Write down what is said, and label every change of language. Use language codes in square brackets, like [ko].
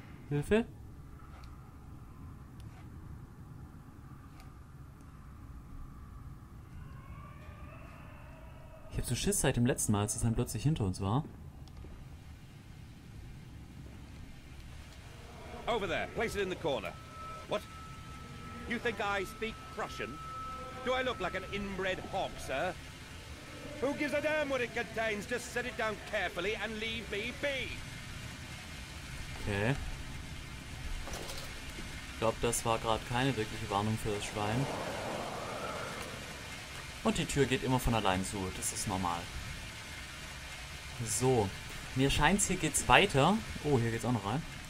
[de] Hilfe? Ich habe so Schiss seit dem letzten Mal, als es dann plötzlich hinter uns war. [en] Over there, place it in the corner. What? You think I speak Prussian? Do I look like an inbred hog, sir? Who gives a damn what it contains? Just set it down carefully and leave me be. Okay. [de] Ich glaube, das war gerade keine wirkliche Warnung für das Schwein. Und die Tür geht immer von allein zu, das ist normal. So, mir scheint's, hier geht's weiter. Oh, hier geht's auch noch rein.